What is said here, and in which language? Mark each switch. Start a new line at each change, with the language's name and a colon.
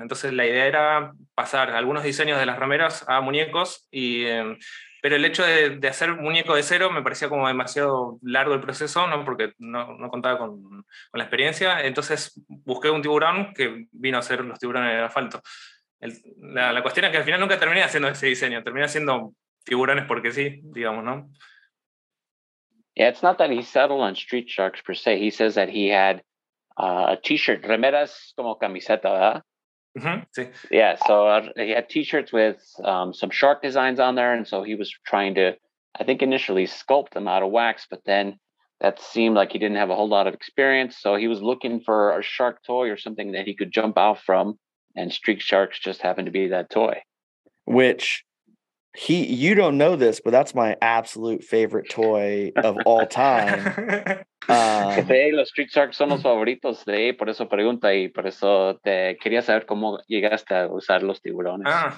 Spanish: Entonces la idea era pasar algunos diseños de las remeras a muñecos, pero el hecho de hacer muñeco de cero me parecía como demasiado largo el proceso, ¿no? Porque no contaba con la experiencia. Entonces busqué un tiburón que vino a ser los tiburones de asfalto. La cuestión es que al final nunca terminé haciendo ese diseño, terminé haciendo tiburones porque sí, digamos, ¿no?
English: Yeah, it's not that he settled on Street Sharks per se. He says that he had a t-shirt,
Spanish: remeras como camiseta, ¿verdad? Mm-hmm. Sí.
English: Yeah, so he had t-shirts with some shark designs on there, and so he was trying to, I think initially, sculpt them out of wax, but then that seemed like he didn't have a whole lot of experience, so he was looking for a shark toy or something that he could jump out from. And Street Sharks just happened to be that toy. Which, you don't know this, but that's my absolute favorite toy of all time.
Spanish: Los Street Sharks son los favoritos de ahí, por eso pregunta y por eso te quería saber cómo llegaste a usar los tiburones.